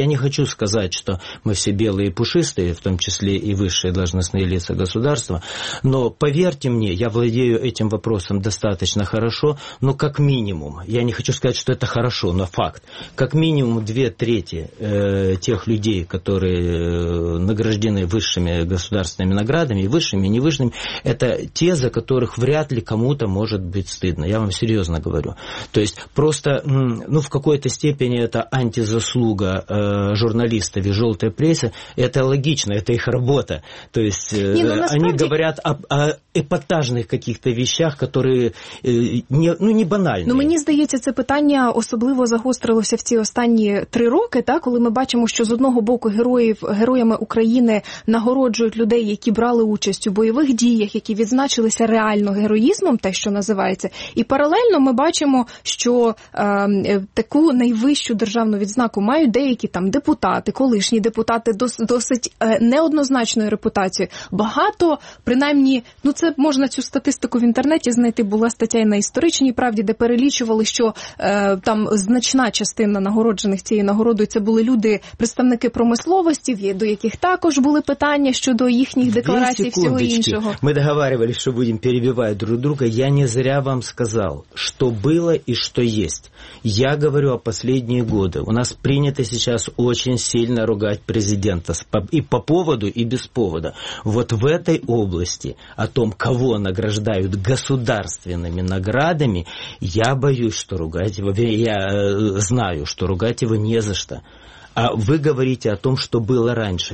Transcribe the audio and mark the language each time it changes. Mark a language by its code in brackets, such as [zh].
[uk] Я не хочу сказати, що ми всі білі і пушисті, в тому числі і вищі должностні [ru] лица государства. Но поверьте мне, я владею этим вопросом достаточно хорошо, но как минимум, я не хочу сказать, что это хорошо, но факт, как минимум две трети тех людей, которые награждены высшими государственными наградами, высшими и невысшими, это те, за которых вряд ли кому-то может быть стыдно, я вам серьезно говорю. То есть просто, в какой-то степени это антизаслуга журналистов и желтой прессы, это логично, это их работа, то есть они говорят о епатажних каких-то вещах, которые не банальні. [uk] Мені здається, це питання особливо загострилося в ці останні три роки, так, коли ми бачимо, що з одного боку героями України нагороджують людей, які брали участь у бойових діях, які відзначили займатися реально героїзмом, те, що називається. І паралельно ми бачимо, що таку найвищу державну відзнаку мають деякі там депутати, колишні депутати, досить неоднозначної репутації. Багато, принаймні, ну це можна цю статистику в інтернеті знайти, була стаття і на Історичній правді, де перелічували, що там значна частина нагороджених цією нагородою, це були люди, представники промисловості, до яких також були питання щодо їхніх декларацій і всього іншого. Ми договаривались, що будемо перебивати друг друга. Я не зря вам сказав, що було і що є. [ru] Я говорю о последние годы. У нас принято сейчас очень сильно ругать президента и по поводу, и без повода. Вот в этой области о том, кого награждают государственными наградами, я боюсь, что ругать его. Я знаю, что ругать его не за что. А вы говорите о том, что было раньше.